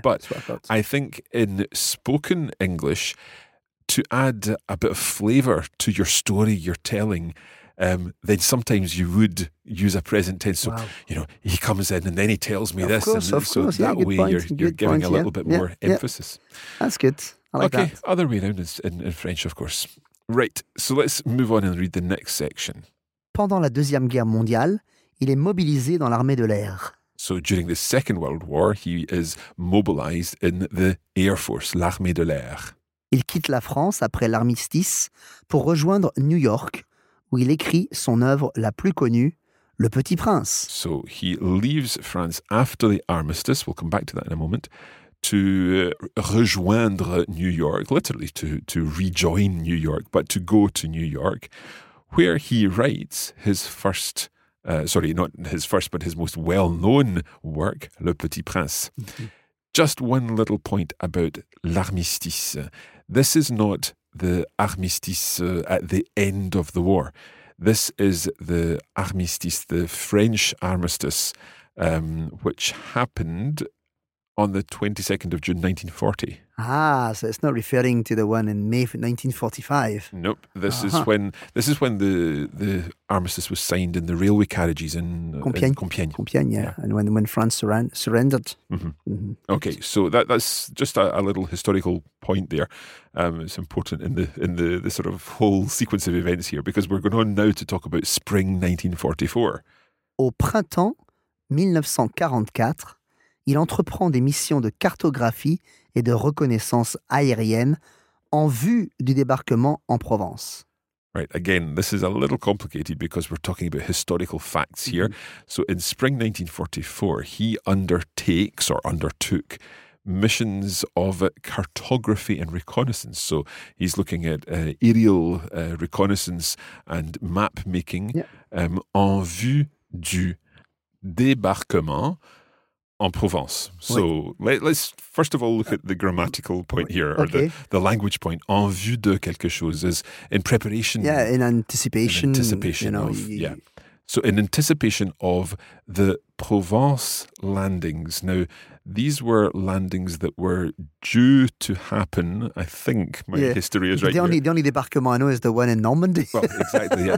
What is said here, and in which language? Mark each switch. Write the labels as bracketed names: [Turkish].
[English] but I think in spoken English, to add a bit of flavor to your story you're telling, then sometimes you would use a present tense. Wow. So, you know, he comes in and then he tells me this. Of course, that way you're giving a little bit more emphasis. That's good. I like that. Other way around is in French, of course. Right. So let's move on and read the next section. [French] Pendant la Deuxième Guerre mondiale, il est mobilisé dans l'armée de l'air. [English] So during the Second World War, he is mobilized in the Air Force, l'armée de l'air. [French] Il quitte la France après l'armistice pour rejoindre New York, où il écrit son œuvre la plus connue, Le Petit Prince. [English] So he leaves France after the armistice, we'll come back to that in a moment, to rejoindre New York, literally to rejoin New York, but to go to New York, where he writes his first, but his most well-known work, Le Petit Prince. Mm-hmm. Just one little point about l'armistice. This is not the armistice at the end of the war. This is the armistice, the French armistice, which happened on the 22nd of June 1940. Ah, so it's not referring to the one in May 1945. Nope. This is when the armistice was signed in the railway carriages in Compiègne. And when France surrendered. Mm-hmm. Mm-hmm. Okay, so that's just a little historical point there. It's important in the sort of whole sequence of events here because we're going on now to talk about spring 1944. [French] Au printemps 1944, il entreprend des missions de cartographie et de reconnaissance aérienne en vue du débarquement en Provence. [English] Right, again, this is a little complicated because we're talking about historical facts here. Mm-hmm. So in spring 1944, he undertakes or undertook missions of cartography and reconnaissance. So he's looking at aerial reconnaissance and map making [French] en vue du débarquement en Provence. [English] So let's first of all look at the grammatical point here, or the language point. [French] En vue de quelque chose [English] is in preparation. Yeah, in anticipation. In anticipation So in anticipation of the Provence landings. Now, these were landings that were due to happen, I think history is right. The only débarquement I know is the one in Normandy. Well, exactly. Yeah.